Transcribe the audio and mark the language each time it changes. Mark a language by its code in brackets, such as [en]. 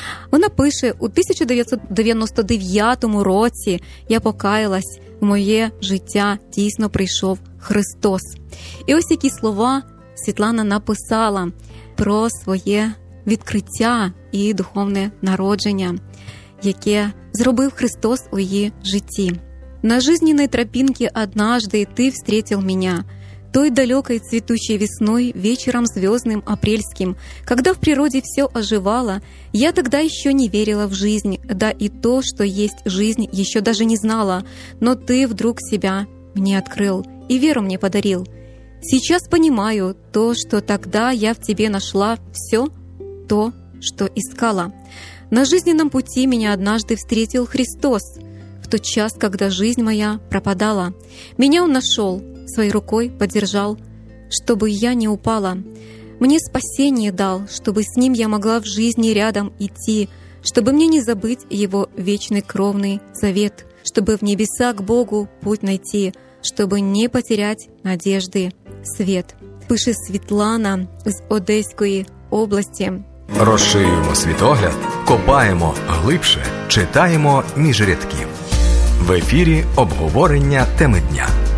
[uk] Вона пише: «У 1999 році я покаялась, в моє життя дійсно прийшов Христос». І ось які слова Світлана написала про своє відкриття і духовне народження, яке зробив Христос у її житті. [ru] «На жизненной тропинке однажды ты встретил меня». Той далекой цветущей весной, вечером звездным апрельским, когда в природе все оживало, я тогда еще не верила в жизнь, да и то, что есть жизнь, еще даже не знала, но ты вдруг себя мне открыл и веру мне подарил. Сейчас понимаю то, что тогда я в тебе нашла все то, что искала. На жизненном пути меня однажды встретил Христос, в тот час, когда жизнь моя пропадала. Меня Он нашел, своей рукой подержал, чтобы я не упала. Мне спасение дал, чтобы с ним я могла в жизни рядом идти, чтобы мне не забыть его вечный кровный завет, чтобы в небеса к Богу путь найти, чтобы не потерять надежды свет». [uk] Пише Світлана з Одеської області. Розширюємо світогляд, копаємо глибше, читаємо між рядків. В ефірі обговорення теми дня.